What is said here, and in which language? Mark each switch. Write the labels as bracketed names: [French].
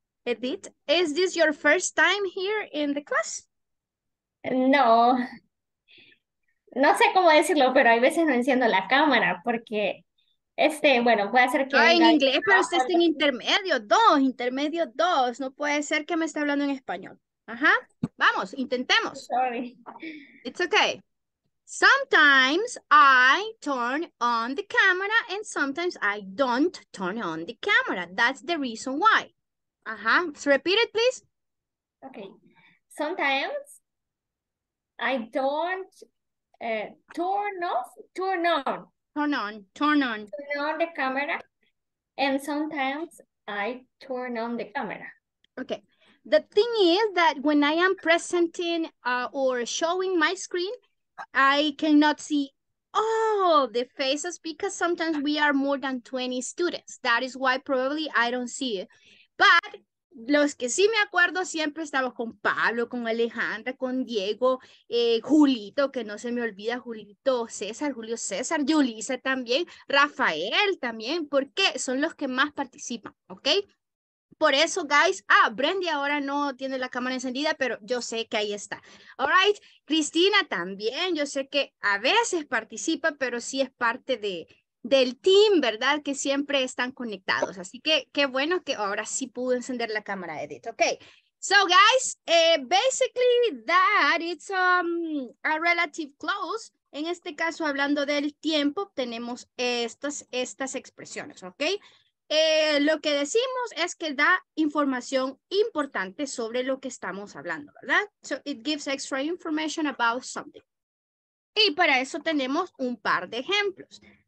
[English] Edith, is this your first time here in the class? [Spanish] No, no sé cómo decirlo, pero hay veces no enciendo la cámara porque, bueno, puede ser que... Ah, en inglés, pero usted está en intermedio dos, no puede ser que me esté hablando en español. Ajá, vamos, intentemos. [English] Sorry. It's okay. Sometimes I turn on the camera and sometimes I don't turn on the camera. That's the reason why. Ajá, so repeat it, please. Okay, sometimes... I don't turn on the camera, and sometimes I turn on the camera. Okay. The thing is that when I am presenting or showing my screen, I cannot see all the faces because sometimes we are more than 20 students. That is why probably I don't see it. [Spanish] But los que sí me acuerdo siempre estamos con Pablo, con Alejandra, con Diego, Julito, que no se me olvida, Julito César, Julio César, Yulisa también, Rafael también, porque son los que más participan, ¿ok? Por eso, guys, Brandy ahora no tiene la cámara encendida, pero yo sé que ahí está. [English] All right, [Spanish] Cristina también, yo sé que a veces participa, pero sí es parte de... del team, ¿verdad? Que siempre están conectados. Así que qué bueno que ahora sí pudo encender la cámara, Edith. [English] Okay. So, guys, basically that it's a relative clause. [Spanish] En este caso, hablando del tiempo, tenemos estas expresiones, okay? Lo que decimos es que da información importante sobre lo que estamos hablando, ¿verdad? [English] So, it gives extra information about something. [Spanish] Y para eso tenemos un par de ejemplos.